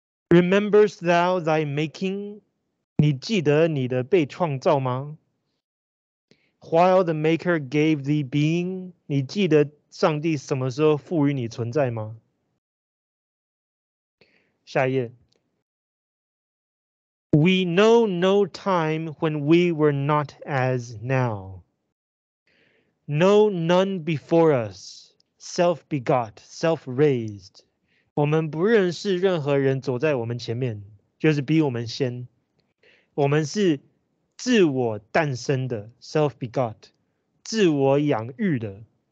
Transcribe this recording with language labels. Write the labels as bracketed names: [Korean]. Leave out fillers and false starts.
[English] Remembers thou thy making? [Chinese] 你记得你的被创造吗 [English] ？While the maker gave thee being? [Chinese] 你记得上帝什么时候赋予你存在吗？下一页。 [English] We know no time when we were not as now. Know none before us, self-begot, self-raised. [Chinese] 我们不认识任何人走在我们前面，就是比我们先。我们是自我诞生的 ， [English] self-begot, [Chinese] 自我养育的。